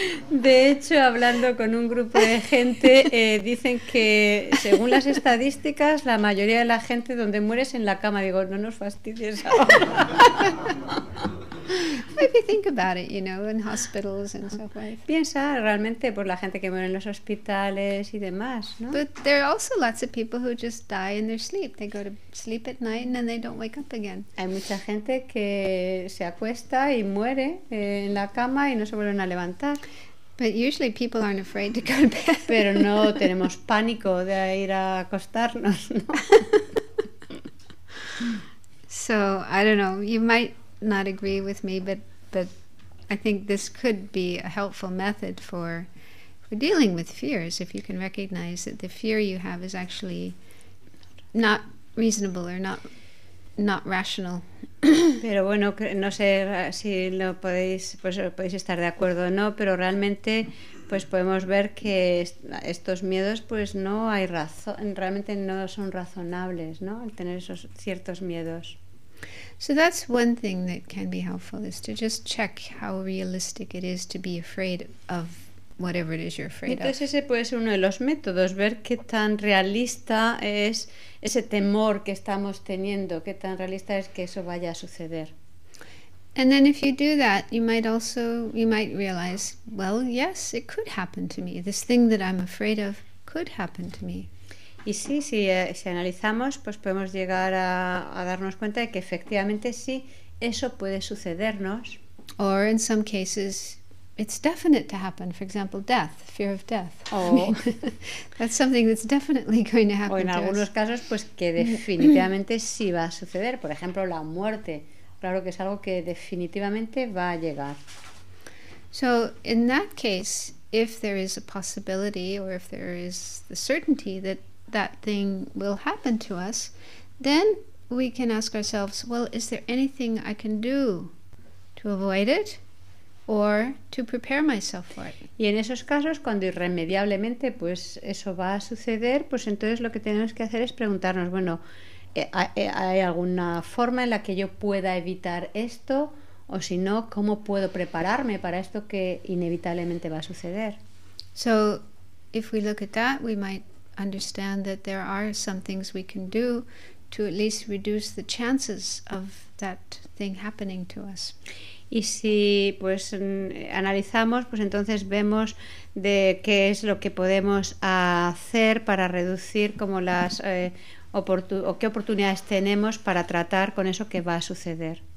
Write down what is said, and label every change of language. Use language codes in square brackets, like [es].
[es] De hecho, hablando con un grupo de gente, dicen que según las estadísticas, la mayoría de la gente donde muere es en la cama. Digo, no nos fastidies ahora. [en] If you think about it, you know, in hospitals and so forth. [es] Piensa realmente por la gente que muere en los hospitales y demás, ¿no? [en] But there are also lots of people who just die in their sleep. They go to sleep at night and then they don't wake up again. [es] Hay mucha gente que se acuesta y muere en la cama y no se vuelven a levantar. [en] But usually people aren't afraid to go to bed. [es] Pero no tenemos pánico de ir a acostarnos, ¿no? [en] So, I don't know, you might not agree with me, but I think this could be a helpful method for dealing with fears, if you can recognize that the fear you have is actually not reasonable or not rational. [es] Pero bueno, no sé si lo podéis, pues podéis estar de acuerdo o no, pero realmente pues podemos ver que estos miedos pues no hay razón, realmente no son razonables, ¿no? El tener esos ciertos miedos. [en] So that's one thing that can be helpful, is to just check how realistic it is to be afraid of whatever it is you're afraid of. [es] Entonces ese puede ser uno de los métodos, ver qué tan realista es ese temor que estamos teniendo, qué tan realista es que eso vaya a suceder. [en] And then if you do that, you might realize, well, yes, it could happen to me. This thing that I'm afraid of could happen to me. [es] Y sí, si analizamos, pues podemos llegar a darnos cuenta de que efectivamente sí, eso puede sucedernos. [en] Or in some cases, it's definite to happen. For example, death, fear of death. Oh. That's something that's definitely going to happen. [es] O en algunos casos, pues que definitivamente sí va a suceder. Por ejemplo, la muerte. Claro que es algo que definitivamente va a llegar. [en] So, in that case, if there is a possibility or if there is the certainty that that thing will happen to us, then we can ask ourselves, well, is there anything I can do to avoid it or to prepare myself for it? [es] Y en esos casos, cuando irremediablemente pues eso va a suceder, pues entonces lo que tenemos que hacer es preguntarnos, bueno, ¿hay alguna forma en la que yo pueda evitar esto? O si no, ¿cómo puedo prepararme para esto que inevitablemente va a suceder? [en] So, if we look at that, we might understand that there are some things we can do to at least reduce the chances of that thing happening to us. [es] Y si pues analizamos, pues entonces vemos de qué es lo que podemos hacer para reducir como las o qué oportunidades tenemos para tratar con eso que va a suceder.